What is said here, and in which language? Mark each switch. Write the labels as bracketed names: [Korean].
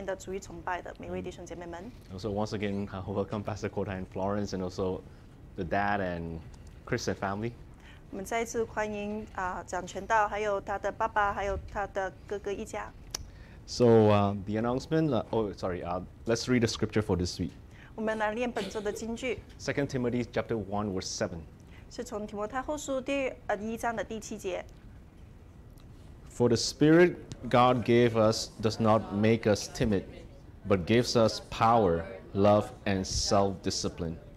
[Chinese] 欢迎每一位在座的跟我们一起来参加的我们今天的主日崇拜的每位弟兄姐妹们. [English] Also, once again, welcome Pastor Kota and Florence, and also the dad and Chris and family. [Chinese] 我们再一次欢迎蒋全道还有他的爸爸还有他的哥哥一家. [English] Let's read the scripture for this week. [Chinese] 我们来念本周的经句. [English] 2 Timothy chapter 1 verse 7. [Chinese] 是从提摩太后书第一章的第七节。 [English] For the Spirit God gave us does not make us timid, but gives us power, love, and self-discipline.